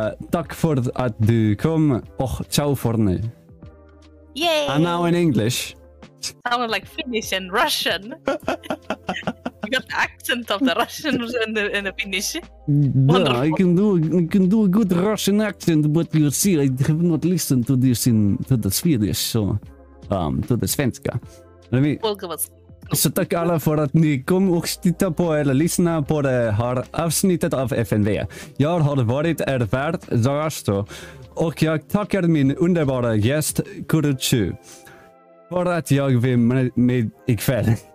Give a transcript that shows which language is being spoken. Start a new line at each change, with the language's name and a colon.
Swedish: Tack för att du kom och ciao för nu. Yay!
English: And now in English. Sounded like Finnish and Russian. You got the accent of the Russian and the Finnish. Yeah, I can do a good Russian accent, but you see, I have not listened to this in the Swedish, so to the Svenska. Welcome us.
Swedish: Så tack alla för att ni kom och tittar på eller lyssnar på det här avsnittet av FNV. Jag har varit er värd, Zagasto, och jag tackar min underbara gäst, Kuru Chuu, för att jag var med ikväll.